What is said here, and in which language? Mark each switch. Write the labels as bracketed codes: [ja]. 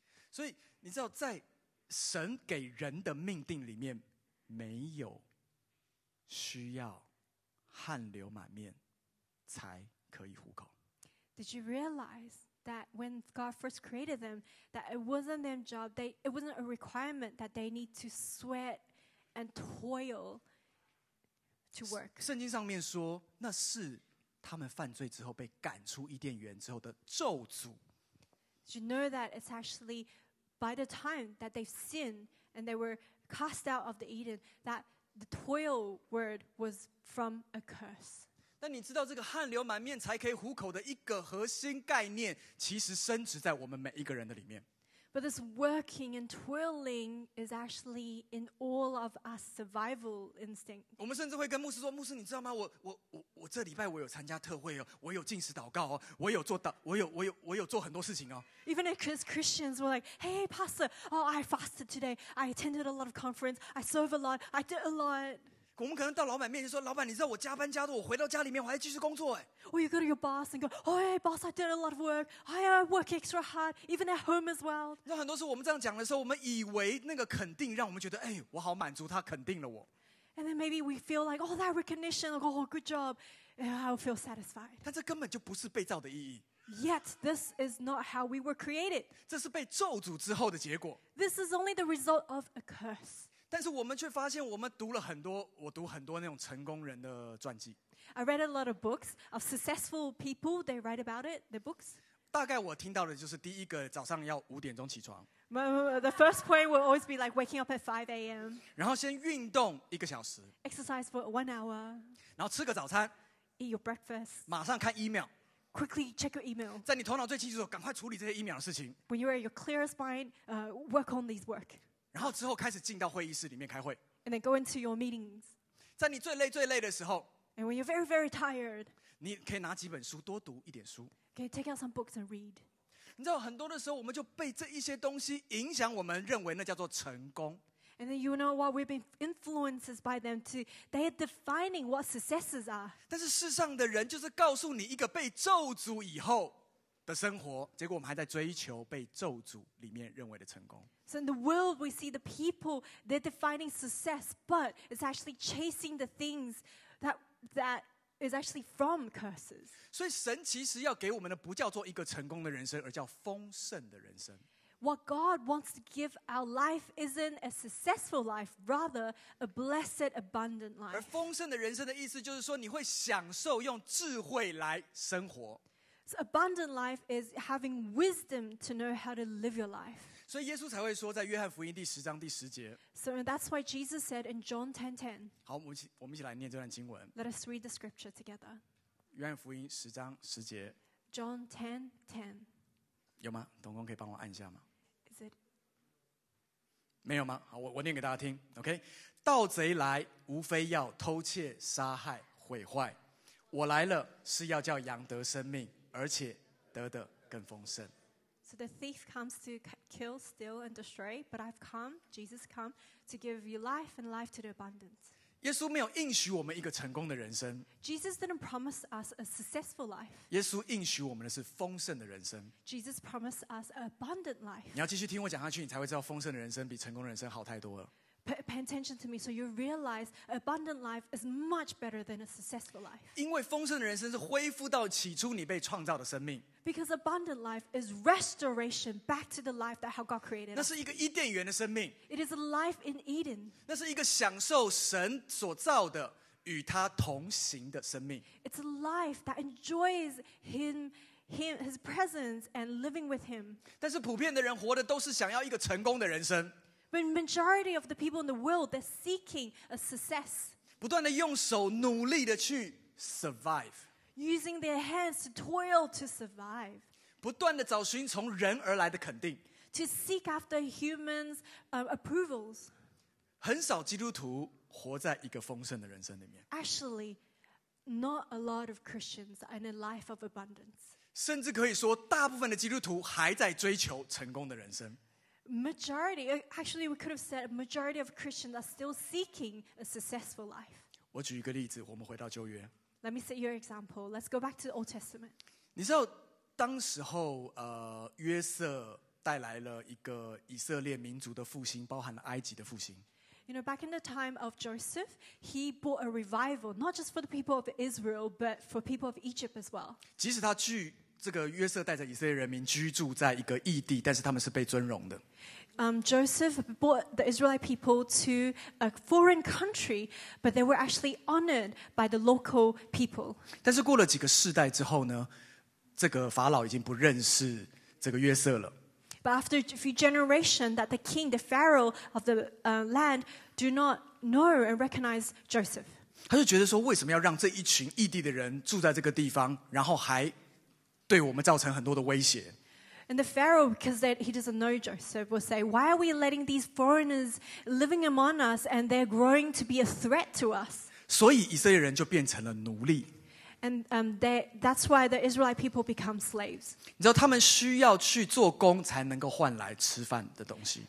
[zh] 所以你知道在神给人的命定里面。没有需要汗流满面才可以糊口。 [en] Did you realize that when God first created them, that it wasn't their job, it wasn't a requirement that they need to sweat and toil to work? [zh] 圣经上面说，那是他们犯罪之后被赶出伊甸园之后的咒诅。 [en] Did you know that it's actually by the time that they've sinned and they were cast out of the Eden, that the toil word was from a curse. [zh] 但你知道这个汗流满面才可以糊口的一个核心概念，其实深植在我们每一个人的里面。 [en] But this working and toiling is actually in all of us survival instinct. [zh] 我们甚至会跟牧师说，牧师你知道吗？我这礼拜我有参加特会哦，我有进食祷告哦，我有做很多事情哦。 [en] Even as Christians, we're like, hey, pastor, oh, I fasted today. I attended a lot of conference. I serve a lot. I did a lot. [zh] 我们可能到老板面前说，老板，你知道我加班加到我回到家里面我还继续工作哎。 [en] Or you go to your boss and go, oh, hey, boss, I did a lot of work. I work extra hard, even at home as well. [zh] 那很多时候我们这样讲的时候，我们以为那个肯定让我们觉得，哎，我好满足，他肯定了我。 [en] And then maybe we feel like, oh, that recognition, like, oh, good job, and I'll feel satisfied. [zh] 但这根本就不是被造的意义。 [en] Yet this is not how we were created. [zh] 这是被咒诅之后的结果。 [en] This is only the result of a curse. [zh] 但是我们却发现，我们读了很多，我读很多那种成功人的传记。 [en] I read a lot of books of successful people. They write about it, the books. [zh] 大概我听到的就是第一个早上要五点钟起床。 [en] The first point will always be like waking up at 5 a.m. [zh] 然后先运动一个小时。 [en] Exercise for 1 hour. [zh] 然后吃个早餐。 [en] Eat your breakfast. [zh] 马上看 email. [en] quickly check your email. [zh] 在你头脑最清楚的时候，赶快处理这些 email 的事情。 [en] When you are your clearest mind, work on these work. [zh] 然后之后开始进到会议室里面开会。 [en] And then go into your meetings. [zh] 在你最累最累的时候。 [en] And when you're very very tired. [zh] 你可以拿几本书多读一点书。 [en] Okay, take out some books and read. [zh] 你知道很多的时候，我们就被这一些东西影响，我们认为那叫做成功。 [en] And then you know what we've been influenced by them to. They are defining what successes are. [zh] 但是世上的人就是告诉你一个被咒诅以后的生活，结果我们还在追求被咒诅里面认为的成功。 [en] So in the world, we see the people they're defining success, but it's actually chasing the things that is actually from curses. [zh] 所以神其实要给我们的不叫做一个成功的人生，而叫丰盛的人生。 [en] What God wants to give our life isn't a successful life, rather a blessed, abundant life. [zh] 而丰盛的人生的意思就是说，你会享受用智慧来生活。 [en] So abundant life is having wisdom to know how to live your life. [zh] 所以耶稣才会说，在约翰福音第十章第十节。 [en] So that's why Jesus said in John 10:10. [zh] 好，我们一起来念这段经文。 [en] Let us read the scripture together. [zh] 约翰福音十章十节。 [en] John 10:10. [zh] 有吗？同工可以帮我按一下吗 [en] ？Is it？ [zh] 没有吗？好，我念给大家听。 OK， 盗贼来，无非要偷窃、杀害、毁坏。我来了，是要叫羊得生命，而且得的更丰盛。 [en] So the thief comes to kill, steal, and destroy, but I've come, Jesus come, to give you life and life to the abundance. [zh] 耶稣没有应许我们一个成功的人生。 [en] Jesus didn't promise us a successful life. [zh] 耶稣应许我们的是丰盛的人生。 [en] Jesus promised us an abundant life. [zh] 你要继续听我讲下去，你才会知道丰盛的人生比成功的人生好太多了。 [en] Pay attention to me, so you realize abundant life is much better than a successful life. [zh] 因为丰盛的人生是恢复到起初你被创造的生命。 [en] Because abundant life is restoration back to the life that how God created. [zh] 那是一个伊甸园的生命。 [en] It is a life in Eden. [zh] 那是一个享受神所造的与他同行的生命。 [en] It's a life that enjoys his presence and living with him. [zh] 但是普遍的人活的都是想要一个成功的人生。 [en] The majority of the people in the world, they're seeking a success. [zh] 不断地用手努力地去 [en] survive. Using their hands to toil to survive. [zh] 不断地找寻从人而来的肯定。 [en] To seek after humans' approvals. [zh] 很少基督徒活在一个丰盛的人生里面。 [en] Actually, not a lot of Christians are in a life of abundance. [zh] 甚至可以说，大部分的基督徒还在追求成功的人生。 [en] Majority, actually, we could have said a majority of Christians are still seeking a successful life. [zh] 我举一个例子，我们回到旧约。 [en] Let me set your example. Let's go back to the Old Testament. [zh] 你知道当时候，约瑟带来了一个以色列民族的复兴，包含了埃及的复兴。 [en] You know, back in the time of Joseph, he brought a revival, not just for the people of Israel, but for people of Egypt as well. [zh] 即使他去这个约瑟带着以色列人民居住在一个异地，但是他们是被尊荣的。 [en] Joseph brought the Israelite people to a foreign country, but they were actually honored by the local people. [zh] 但是过了几个世代之后呢，这个法老已经不认识这个约瑟了。 [en] But after a few generations, that the king, the pharaoh of the land, do not know and recognize Joseph. [zh] 他就觉得说，为什么要让这一群异地的人住在这个地方，然后还对我们造成很多的威胁。 [en] And the Pharaoh, because he doesn't know Joseph, will say, "Why are we letting these foreigners living among us, and they're growing to be a threat to us?" [zh] 所以以色列人就变成了奴隶。 [en] And that's why the Israelite people become slaves. [zh] 你知道他们需要去做工才能够换来吃饭的东西。